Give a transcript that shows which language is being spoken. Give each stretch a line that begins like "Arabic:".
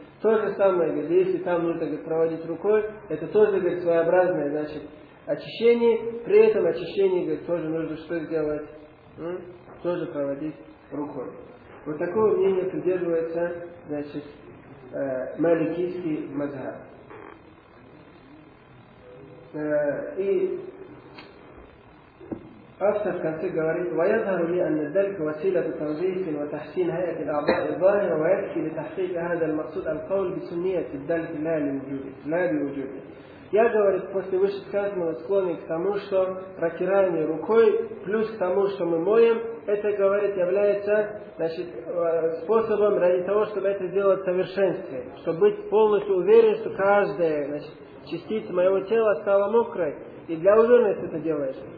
Russian: То же самое, говорит, если там нужно, говорит, проводить рукой, это тоже, говорит, своеобразное, значит, очищение. При этом очищение, говорит, тоже нужно что сделать? Тоже проводить рукой. Вот такого мнения придерживается, значит, маликийский мазхаб. И автор в конце говорит,
Arabic: وَيَظْهَرُ لِي أَنَّ ذَلْكَ وَسِيلَةُ تَنْزِيسٍ وَتَحْسِينَ هَيَةِ الْأَعْضَاءِ الظَّاهِرَ وَيَكْفِي لِتَحْقِيقَ هَذَا الْمَقْصُودَ الْقَوْلِ بِسُنِّيَةِ الدَّلْكِ لَا لِوْجُودِ.
Russian: Я, говорит, после вышесказанного склонен к тому, что протирание рукой плюс к тому, что мы моем, это, говорит, является, значит, способом ради того, чтобы это сделать в совершенстве, чтобы быть полностью уверен, что каждая, значит, частица моего тела стала мокрой, и для уверенности это делаешь.